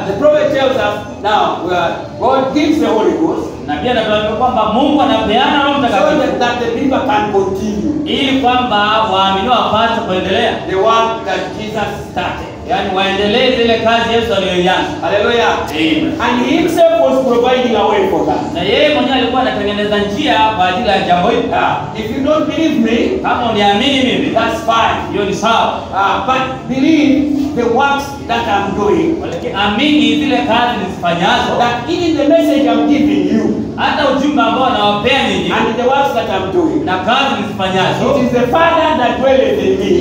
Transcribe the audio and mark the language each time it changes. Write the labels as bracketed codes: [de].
[en] The prophet tells us now where God gives the Holy Ghost. [sw] Na pia anatuambia kwamba Mungu anapeana Roho Mtakatifu. [en] So that the believer can continue. [sw] Ili kwamba waamini wapate kuendelea. [en] The work that Jesus started. [sw] Yaani waendelee zile kazi Yesu aliyoianza. Hallelujah. Amen. [en] And he himself was providing a way for that. [sw] Na yeye mwenyewe alikuwa anatengeneza njia kwa ajili ya jambo hili. [en] If you don't believe me, [sw] kama uniamini mimi, [en] that's fine. [sw] Hiyo ni sawa. [en] But believe the works that I'm doing. [sw] Lakini amini zile kazi nizifanyazo. [en] That even the message I'm giving you. [sw] Hata ujumbe ambao anawapea ninyi. [en] And the works that I'm doing. [sw] Na kazi nizifanyazo. [en] It is the Father that dwelleth in me.